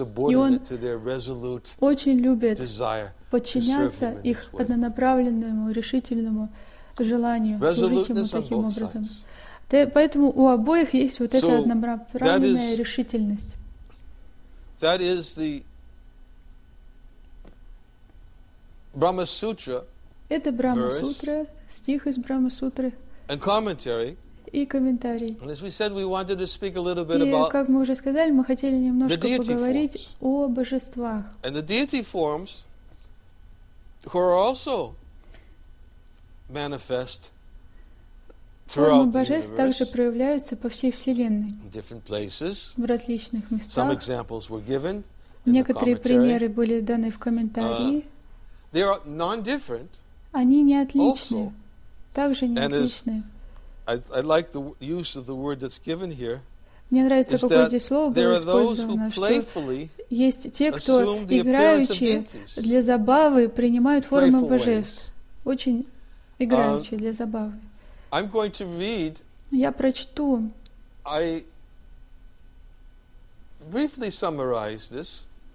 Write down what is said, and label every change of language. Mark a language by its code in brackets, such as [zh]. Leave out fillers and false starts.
[ru] И он очень любит подчиняться их однонаправленному, решительному желанию служить ему таким образом. Поэтому у обоих есть вот эта однонаправленная решительность. [en] That is the Brahma Sutra. [ru] Это Брахма-сутра, стих из Брахма-сутры. [en] And commentary. [ru] И комментарий. [en] And as we said, we wanted to speak a little bit about. [ru] И как мы уже сказали, мы хотели немножко поговорить о божествах. [en] And the deity forms, who are also manifest throughout the universe. [ru] Также проявляются по всей вселенной. [en] In different places. [ru] В различных местах. [en] Some examples were given. [ru] Некоторые примеры были даны в комментарии. [en] They are non-different. [ru] Они не отличны, также не отличны. [en] I like the use of the word that's given here. [ru] Мне нравится, какое здесь слово было использовано, что есть те, кто играючи для забавы принимают формы божеств. Очень Играючи для забави. [en] I'm going to read. [ru] Я прочту. [en] I briefly summarized this.